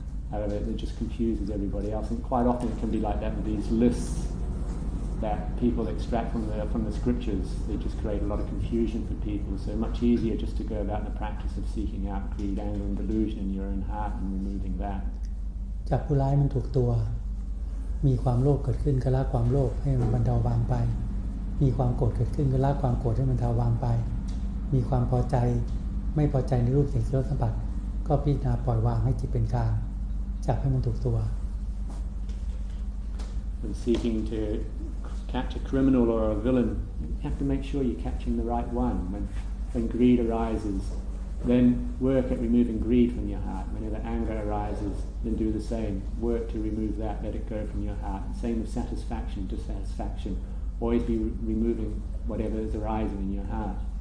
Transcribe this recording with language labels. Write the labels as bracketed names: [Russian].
[English] However, it just confuses everybody else. And quite often, it can be like that with these lists that people extract from the scriptures. They just create a lot of confusion for people. So much easier just to go about the practice of seeking out greed, anger, and delusion in your own heart and removing that. [Thai] จับผู้ร้ายมันถูกตัวมีความโลภเกิดขึ้นก็ละความโลภให้มันบรรเทาบางไปมีความโกรธเกิดขึ้นก็ละความโกรธให้มันเทาบางไปมีความพอใจไม่พอใจในรูปเสียงเครื่องสัมผัสก็พิจารณาปล่อยวางให้จิตเป็นกลางจับให้มันถูกตัว [English] When seeking to catch a criminal or a villain you have to make sure you're catching the right one when greed arises then work at removing greed from your heart whenever anger arises then do the same work to remove that let it go from your heart same with satisfaction dissatisfactionalways be removing whatever is arising in your heart.